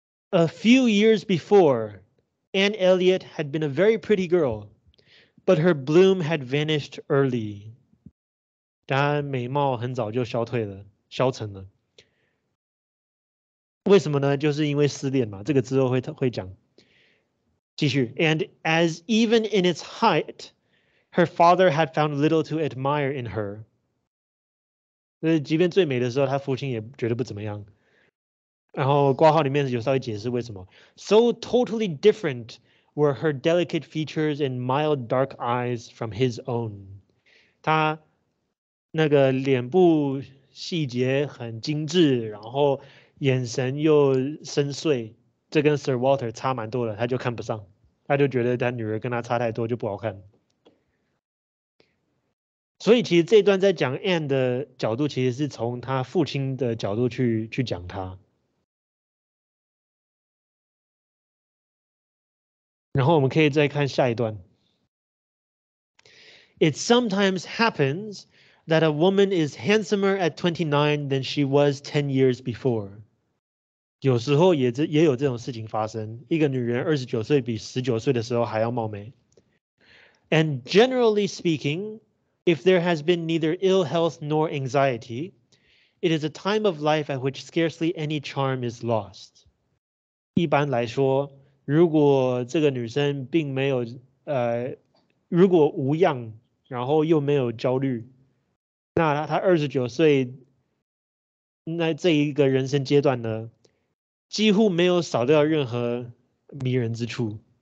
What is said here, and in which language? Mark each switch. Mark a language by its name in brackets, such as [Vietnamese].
[English] A few years before, Anne Elliot had been a very pretty girl, but her bloom had vanished early. [Chinese] 她美貌很早就消退了，消沉了。为什么呢？就是因为失恋嘛，这个之后会讲。继续 [English] ，And as even in its height, her father had found little to admire in her. [Chinese] 即便最美的时候，他父亲也觉得不怎么样。然后括号里面有稍微解释为什么。 [English] So totally different were her delicate features and mild dark eyes from his own. [Chinese] 他那个脸部细节很精致，然后眼神又深邃，这跟 Sir Walter 差蛮多的，他就看不上，他就觉得他女儿跟他差太多就不好看。所以其实这一段在讲 Anne 的角度，其实是从他父亲的角度去讲他。然后我们可以再看下一段。 [English] It sometimes happens that a woman is handsomer at 29 than she was 10 years before. [Chinese] 有时候也有这种事情发生，一个女人29岁比19岁的时候还要貌美。 [English] And generally speaking, if there has been neither ill health nor anxiety, it is a time of life at which scarcely any charm is lost. [Chinese] 一般来说，如果这个女生并没有如果无恙，然后又没有焦虑，那她29岁，那这一个人生阶段呢？几乎没有少掉任何迷人之处。